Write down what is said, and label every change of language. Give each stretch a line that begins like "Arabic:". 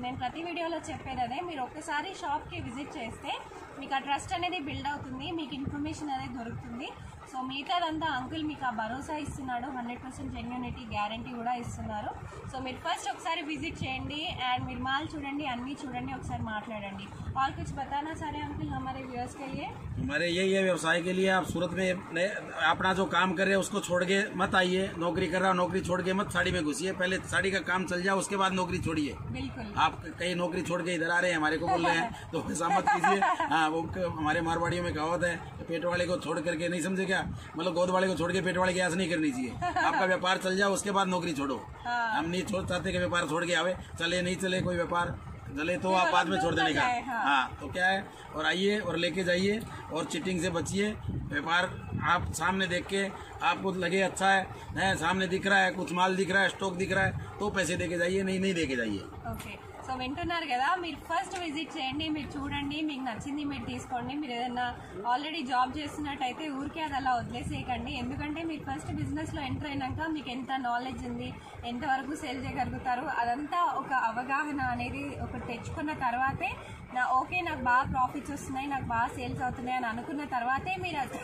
Telugu: నేను ప్రతి వీడియోలో చెప్పేది అదే మీరు ఒక్కసారి షాప్కి విజిట్ చేస్తే మీకు ఆ ట్రస్ట్ అనేది బిల్డ్ అవుతుంది మీకు ఇన్ఫర్మేషన్ అనేది దొరుకుతుంది। సో మిగతాదంతా అంకుల్ మీకు ఆ భరోసా ఇస్తున్నాడు 100% జెన్యునిటీ గ్యారంటీ కూడా ఇస్తున్నారు। సో మీరు ఫస్ట్ ఒకసారి విజిట్ చేయండి అండ్ మీరు మాల్ చూడండి అన్నీ చూడండి ఒకసారి మాట్లాడండి
Hindi: ఆల్ కుచ్ బతానా సరే అంకుల్ హమారే వ్యూయర్స్ కే లియే हमारे यही है व्यवसाय के लिए। आप सूरत में अपना जो काम कर रहे हैं उसको छोड़ के मत आइए। नौकरी कर रहा नौकरी छोड़ के मत साड़ी में घुसिए पहले साड़ी का काम चल जाए उसके बाद नौकरी छोड़िए। बिल्कुल आप कई नौकरी छोड़ के इधर आ रहे हैं हमारे को बोल रहे हैं तो ऐसा मत कीजिए। हाँ वो हमारे मारवाड़ियों में कहावत है पेट वाले को छोड़ करके नहीं समझे क्या मतलब गोद वाले को छोड़ के पेट वाले की आस नहीं करनी चाहिए। आपका व्यापार चल जाए उसके बाद नौकरी छोड़ो। हम नहीं छोड़ चाहते कि व्यापार छोड़ के आवे चले नहीं चले कोई व्यापार चले तो आप बाद में छोड़ देने का हाँ तो क्या है और आइए और लेके जाइए और चीटिंग से बचिए। व्यापार आप सामने देख के आपको लगे अच्छा है नहीं सामने दिख रहा है कुछ माल दिख रहा है स्टॉक दिख रहा है तो पैसे देके जाइए नहीं नहीं देके जाइए।
Telugu: ओके सो వింటున్నారు కదా మీరు ఫస్ట్ విజిట్ చేయండి మీరు చూడండి మీకు నచ్చింది మీరు తీసుకోండి మీరు ఏదైనా ఆల్రెడీ జాబ్ చేస్తున్నట్టయితే ఊరికే అది అలా వదిలేసేయకండి ఎందుకంటే మీరు ఫస్ట్ బిజినెస్ లో ఎంటర్ అయినాక మీకు ఎంత నాలెడ్జ్ ఉంది ఎంతవరకు సేల్ చేయగలుగుతారు అదంతా ఒక అవగాహన అనేది ఒకటి తెచ్చుకున్న తర్వాతే నా ఓకే నాకు బాగా ప్రాఫిట్స్ వస్తున్నాయి నాకు బాగా సేల్స్ అవుతున్నాయి అని అనుకున్న తర్వాతే మీరు